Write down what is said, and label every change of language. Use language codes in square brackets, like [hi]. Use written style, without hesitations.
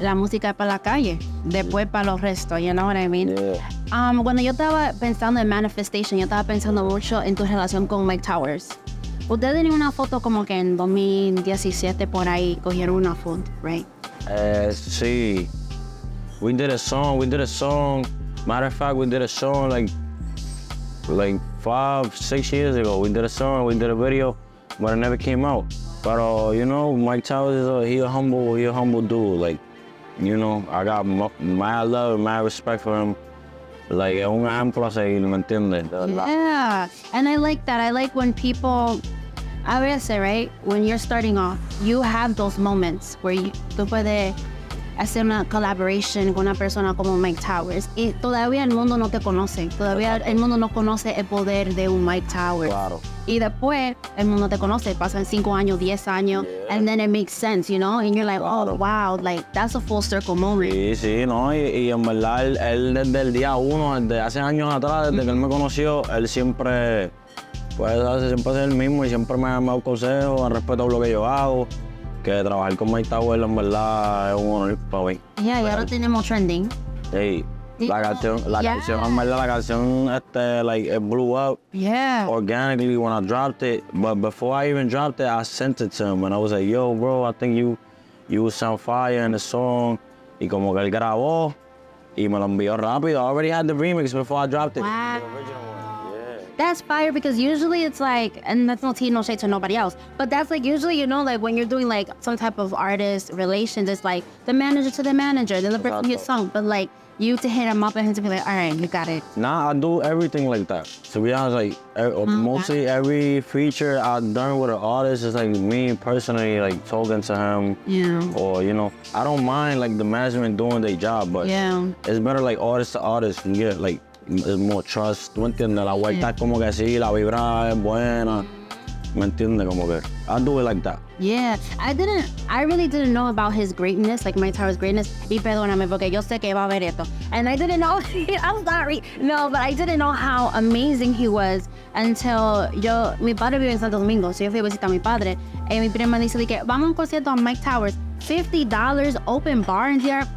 [es] La música es para la calle, después para los restos, [en] you know what I mean? Yeah. [es] Cuando yo estaba pensando en manifestation, yo estaba pensando mucho en tu relación con Mike Towers. Usted tenía una foto como que en 2017 por ahí cogieron una foto, right? [en] Sí, we did a song. Matter of fact, we did a song like 5-6 years ago. We did a song, we did a video, but it never came out. But you know, Mike Towers is a humble dude. Like, you know, I got my love and my respect for him. [es] Like, es un ejemplo a seguir, ¿me entiendes? [en] Yeah, and I like that. I like when people. [es] A veces, [en] right, when you're starting off, you have those moments where you [es] puede hacer una collaboration con una persona como Mike Towers. Y todavía el mundo no te conoce. Todavía el mundo no conoce el poder de un Mike Towers. Claro. Y después el mundo te conoce. Pasan 5 años, 10 años, yeah. [en] And then it makes sense, you know? And you're like, claro. Oh, wow, like, that's a full circle moment. [es] Sí, sí, no. Y en verdad, él desde el día uno, desde hace años atrás, desde que él me conoció, él siempre, pues, siempre es el mismo y siempre me ha dado consejos al respecto a lo que yo hago. Que trabajar con Mike Towers en verdad es un honor para mí. [en] Yeah, real. [es] Y ahora tenemos trending. Sí. La canción, la yeah. canción, en verdad, la canción, este, [en] like, it blew up. Yeah. Organically when I dropped it. But before I even dropped it, I sent it to him. And I was like, yo, bro, I think you would sound fire in the song. [es] Y como que él grabó y me lo envió rápido. [en] I already had the remix before I dropped it. Wow. The original one. That's fire, because usually it's like, and that's not tea, no shade to nobody else, but that's like usually, you know, like when you're doing like some type of artist relations, it's like the manager to the manager, then the person you song, but like you to hit him up and him to be like, all right, you got it. Nah, I do everything like that. To be honest, like mostly every feature I've done with an artist is like me personally, like talking to him. Yeah. Or, you know, I don't mind like the management doing their job, but yeah. It's better like artist to artist, you get like, es more trust, [es] ¿tú me entiendes? La vuelta yeah. es como que sí, la vibra es buena, ¿me entiendes? Como que, [en] I do it like that. Yeah, I really didn't know about his greatness, like Mike Towers' greatness, [es] y perdóname porque yo sé que va a haber esto. [en] And I didn't know, I'm sorry, no, but I didn't know how amazing he was until [es] yo, mi padre vive en Santo Domingo, so yo fui a visitar a mi padre, y mi prima dice que vamos a un concierto a Mike Towers, $50 [en] open bar in here.